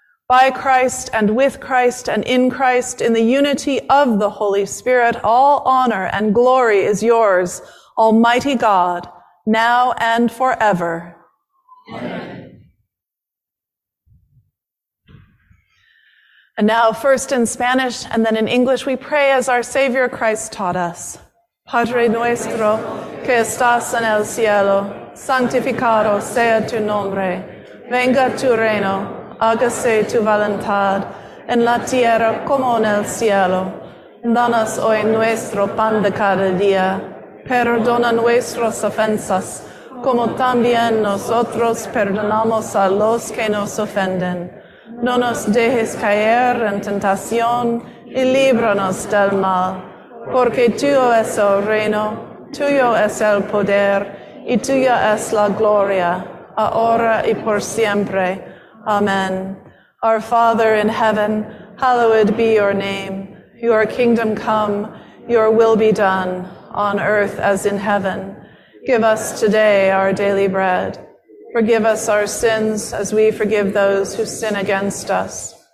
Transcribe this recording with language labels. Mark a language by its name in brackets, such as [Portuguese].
[English] By Christ and with Christ and in Christ, in the unity of the Holy Spirit, all honor and glory is yours, Almighty God, now and forever. Amen. And now, first in Spanish and then in English, we pray as our Savior Christ taught us. [Spanish] Padre nuestro, que estás en el cielo, santificado sea tu nombre, venga tu reino, hágase tu voluntad, en la tierra como en el cielo. Danos hoy nuestro pan de cada día. Perdona nuestras ofensas, como también nosotros perdonamos a los que nos ofenden. No nos dejes caer en tentación, y líbranos del mal. Porque tuyo es el reino, tuyo es el poder, y tuya es la gloria, ahora y por siempre. Amen. [English] Our Father in heaven, hallowed be your name. Your kingdom come, your will be done, on earth as in heaven. Give us today our daily bread. Forgive us our sins as we forgive those who sin against us.